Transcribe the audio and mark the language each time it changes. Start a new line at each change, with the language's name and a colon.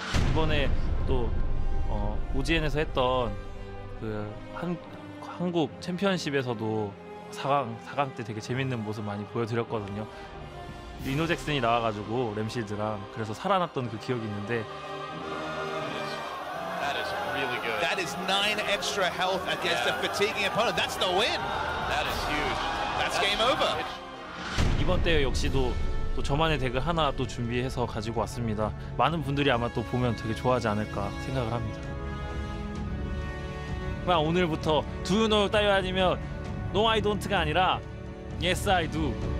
Korean: 이번에 또 OGN에서 했던 그 한국 챔피언십에서도 4강 때 되게 재밌는 모습 많이 보여드렸거든요. 리노잭슨이 나와가지고 램실드랑 그래서 살아났던 그 기억이 있는데
English: That is really good. That is 9 extra health against a fatiguing opponent. That's the win. That is huge. That's game over.
Korean: 이번 대회 역시도 또 저만의 덱을 하나 또 준비해서 가지고 왔습니다. 많은 분들이 아마 또 보면 되게 좋아하지 않을까 생각을 합니다. 그냥 오늘부터
English: Do you know
Korean: 따요 아니면
English: No I don't가 아니라 Yes I do.